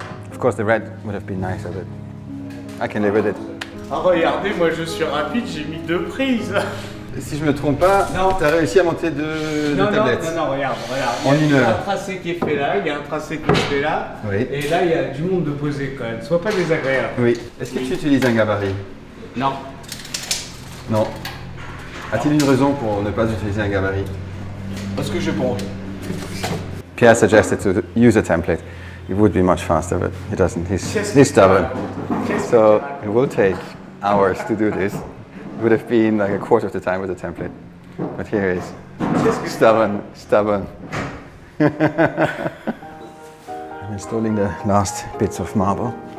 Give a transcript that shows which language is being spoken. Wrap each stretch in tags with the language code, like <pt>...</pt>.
<en>Of course, the red would have been nicer, but I can live with it.</en> <fr>Ah, regardez, moi je suis rapide, j'ai mis deux prises. Si je me trompe pas, tu as réussi à monter deux tablettes. Non, regarde. Il y a un tracé qui est fait là, il y a un tracé qui est fait là. Oui. Et là, il y a du monde de poser quand même. Sois pas désagréable. Oui. Est-ce que tu utilises un gabarit? Non. Non. A-t-il une raison pour ne pas utiliser un gabarit? Parce que j'ai pas.</fr> <en>Pierre suggested to use a template. It would be much faster, but he doesn't. He's stubborn. So it will take hours to do this. It would have been like a quarter of the time with the template. But here he is. Stubborn. I'm installing the last bits of marble.</en>